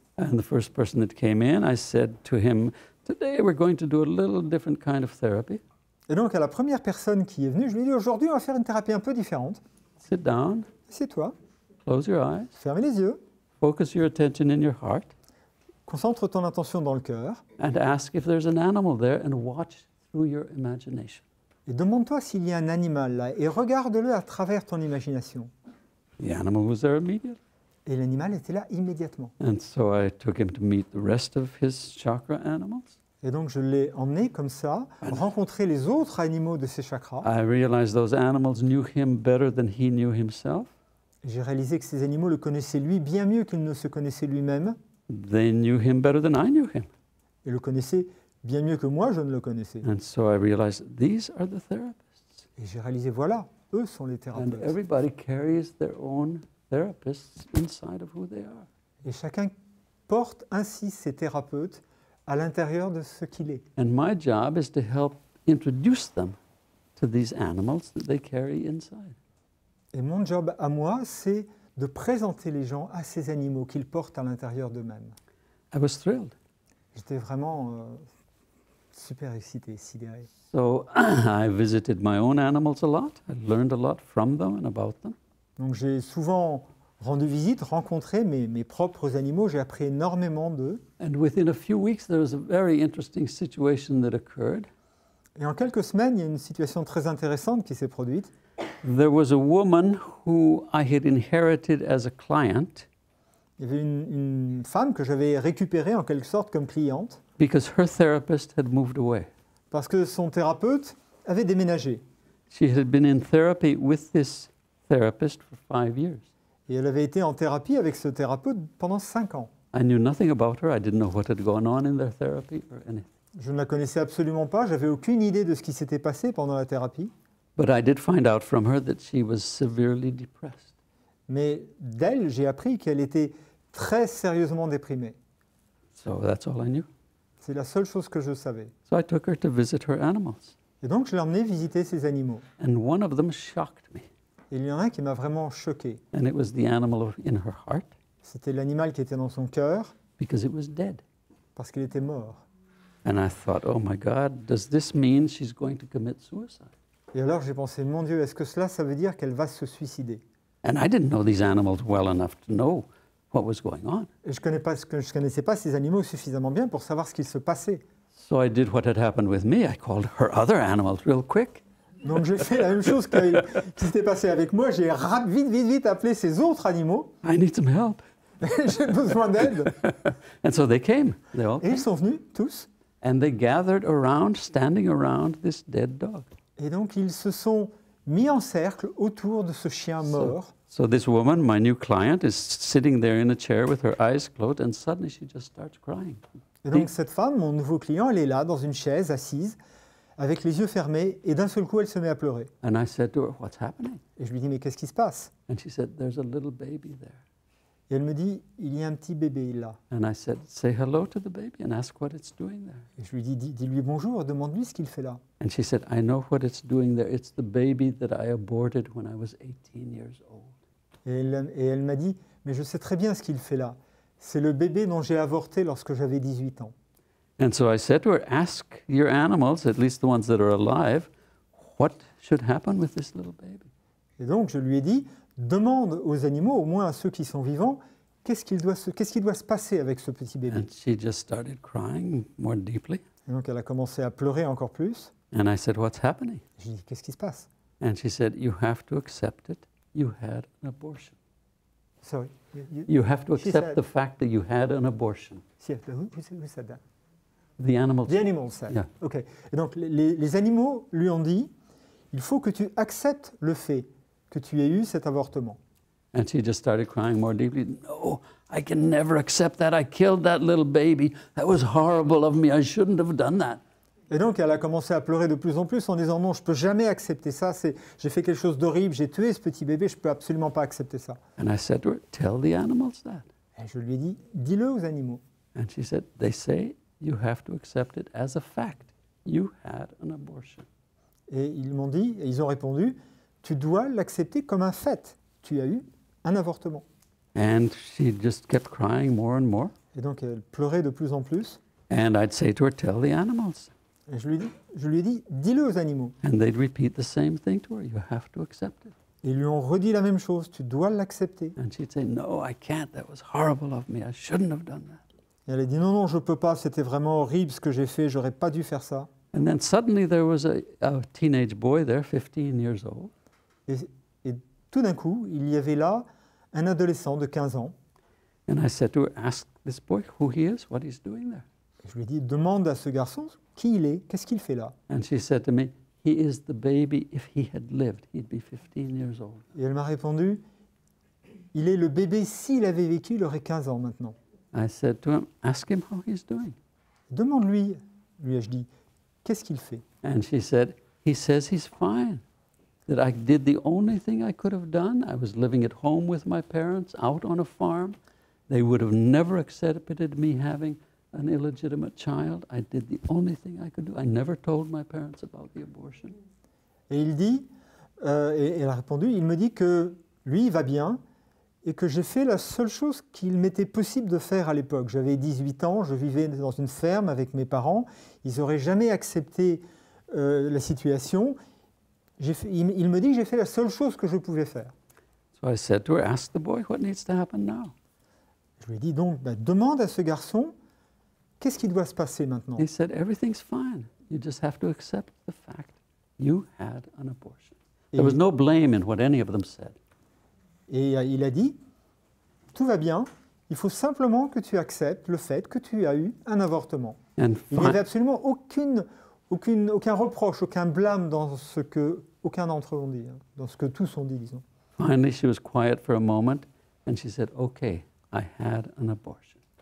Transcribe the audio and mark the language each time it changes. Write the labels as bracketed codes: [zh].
[en] And the first person that came in, I said to him, today we're going to do a little different kind of therapy. [fr] Et donc à la première personne qui est venue, je lui ai dit, aujourd'hui on va faire une thérapie un peu différente. [en] Sit down. [fr] Assieds-toi. [en] Close your eyes. [fr] Ferme les yeux. [en] Focus your attention in your heart. [fr] Concentre ton attention dans le cœur. [en] And ask if there's an animal there and watch through your imagination. [fr] Et demande-toi s'il y a un animal là et regarde-le à travers ton imagination. [en] The animal was there immediately. [fr] Et l'animal était là immédiatement. [en] And so I took him to meet the rest of his chakra animals. [fr] Et donc je l'ai emmené comme ça, rencontrer les autres animaux de ses chakras. [en] I realized those animals knew him better than he knew himself. [fr] J'ai réalisé que ces animaux le connaissaient lui bien mieux qu'il ne se connaissait lui-même. [en] They knew him better than I knew him. [fr] Ils le connaissaient bien mieux que moi je ne le connaissais. [en] And so I realized these are the therapists. [fr] Et j'ai réalisé, voilà, eux sont les thérapeutes. [en] And everybody carries their own therapists inside of who they are. [fr] Et chacun porte ainsi ses thérapeutes à l'intérieur de ce qu'il est. [en] And my job is to help introduce them to these animals that they carry inside. [fr] Et mon job à moi, c'est de présenter les gens à ces animaux qu'ils portent à l'intérieur d'eux-mêmes. [en] I was thrilled. [fr] J'étais vraiment super excité, sidéré. [en] So I visited my own animals a lot. I learned a lot from them and about them. [fr] Donc j'ai souvent rendu visite, rencontré mes propres animaux, j'ai appris énormément d'eux. [en] And within a few weeks, there was a very interesting situation that occurred. [fr] Et en quelques semaines, il y a une situation très intéressante qui s'est produite. [en] There was a woman who I had inherited as a client. [fr] Il y avait une femme que j'avais récupérée en quelque sorte comme cliente. [en] Because her therapist had moved away. [fr] Parce que son thérapeute avait déménagé. [en] She had been in therapy with this therapist for 5 years. [fr] Et elle avait été en thérapie avec ce thérapeute pendant 5 ans. [en] I knew nothing about her. I didn't know what had gone on in their therapy or anything. [fr] Je ne la connaissais absolument pas. J'avais aucune idée de ce qui s'était passé pendant la thérapie. [en] But I did find out from her that she was severely depressed. [fr] Mais d'elle, j'ai appris qu'elle était très sérieusement déprimée. [en] So that's all I knew. [fr] C'est la seule chose que je savais. [en] So I took her to visit her animals. [fr] Et donc je l'ai emmenée visiter ses animaux. [en] And one of them shocked me. [fr] Il y en a un qui m'a vraiment choqué. [en] And it was the animal in her heart. [fr] C'était l'animal qui était dans son cœur. [en] Because it was dead. [fr] Parce qu'il était mort. [en] And I thought, oh my God, does this mean she's going to commit suicide? [fr] Et alors j'ai pensé, mon Dieu, est-ce que cela, ça veut dire qu'elle va se suicider? [en] And I didn't know these animals well enough to know what was going on. [fr] Et je connaissais pas ces animaux suffisamment bien pour savoir ce qu'il se passait. [en] So I did what had happened with me. I called her other animals real quick. [fr] Donc j'ai fait la même chose qui s'était passée avec moi. J'ai vite appelé ces autres animaux. [en] I need some help. [fr] J'ai besoin d'aide. [en] And so they came. They all came. [fr] Et ils sont venus tous. [en] And they gathered around, standing around this dead dog. [fr] Et donc ils se sont mis en cercle autour de ce chien mort. [en] So this woman, my new client, is sitting there in a chair with her eyes closed, and suddenly she just starts crying. [fr] Et donc cette femme, mon nouveau client, elle est là dans une chaise assise, avec les yeux fermés, et d'un seul coup, elle se met à pleurer. [en] And I said to her, "What's happening?" [fr] Et je lui dis, mais qu'est-ce qui se passe? [en] And she said, "There's a little baby there." [fr] Et elle me dit, il y a un petit bébé là. [en] And I said, "Say hello to the baby and ask what it's doing there." [fr] Et je lui dis, dis-lui bonjour, demande-lui ce qu'il fait là. [en] And she said, "I know what it's doing there. It's the baby that I aborted when I was 18 years old." [fr] Et elle m'a dit, mais je sais très bien ce qu'il fait là. C'est le bébé dont j'ai avorté lorsque j'avais 18 ans. [en] And so I said to her, "Ask your animals, at least the ones that are alive, what should happen with this little baby." [fr] Et donc je lui ai dit, demande aux animaux, au moins à ceux qui sont vivants, qu'est-ce qui doit se passer avec ce petit bébé. [en] And she just started crying more deeply. [fr] Et donc elle a commencé à pleurer encore plus. [en] And I said, "What's happening?" [fr] Je lui ai dit, qu'est-ce qui se passe? [en] And she said, "You have to accept it. You had an abortion." Sorry. You have to accept the fact that you had an abortion. Who said that? The animals said. Yeah. Okay. [fr] Et donc les animaux lui ont dit, il faut que tu acceptes le fait que tu aies eu cet avortement. [en] And she just started crying more deeply. "No, I can never accept that. I killed that little baby. That was horrible of me. I shouldn't have done that." [fr] Et donc elle a commencé à pleurer de plus en plus en disant, non, je ne peux jamais accepter ça. J'ai fait quelque chose d'horrible. J'ai tué ce petit bébé. Je ne peux absolument pas accepter ça. [en] And I said to her, "Tell the animals that." [fr] Et je lui ai dit, dis-le aux animaux. [en] And she said, "They say you have to accept it as a fact. You had an abortion." [fr] Et ils m'ont dit, et ils ont répondu, tu dois l'accepter comme un fait. Tu as eu un avortement. [en] And she just kept crying more and more. [fr] Et donc elle pleurait de plus en plus. [en] And I'd say to her, "Tell the animals." [fr] Et je lui ai dit, dis-le aux animaux. [en] And they'd repeat the same thing to her, "You have to accept it." [fr] Et ils lui ont redit la même chose, tu dois l'accepter. [en] And she'd say, "No, I can't, that was horrible of me, I shouldn't have done that." [fr] Et elle a dit, non, je peux pas, c'était vraiment horrible ce que j'ai fait, j'aurais pas dû faire ça. [en] And then suddenly there was a teenage boy there, 15 years old. [fr] Et tout d'un coup, il y avait là un adolescent de 15 ans. [en] And I said to her, "Ask this boy who he is, what he's doing there." [fr] Et je lui ai dit, demande à ce garçon qui il est, qu'est-ce qu'il fait là. [en] And she said to me, "He is the baby, if he had lived, he'd be 15 years old." [fr] Et elle m'a répondu, il est le bébé, s'il avait vécu, il aurait 15 ans maintenant. [en] I said to him, "Ask him how he's doing." [fr] Demande-lui, lui ai-je dit, qu'est-ce qu'il fait. [en] And she said, "He says he's fine. That I did the only thing I could have done. I was living at home with my parents, out on a farm. They would have never accepted me having an illegitimate child. I did the only thing I could do. I never told my parents about the abortion." [fr] Et il dit, et elle a répondu, il me dit que lui va bien et que j'ai fait la seule chose qu'il m'était possible de faire à l'époque. J'avais 18 ans, je vivais dans une ferme avec mes parents. Ils n'auraient jamais accepté la situation. Il me dit que j'ai fait la seule chose que je pouvais faire. [en] So I said to her, "Ask the boy what needs to happen now." [fr] Je lui ai dit donc, demande à ce garçon, qu'est-ce qui doit se passer maintenant. [en] He said, "Everything's fine. You just have to accept the fact you had an abortion." There was no blame in what any of them said. [fr] Et il a dit, tout va bien, il faut simplement que tu acceptes le fait que tu as eu un avortement. Il n'y avait absolument aucun reproche, aucun blâme dans ce que aucun d'entre eux ont dit, dans ce que tous ont dit, disons. [en] Finally, she was quiet for a moment, and she said, "Okay, I had an abortion."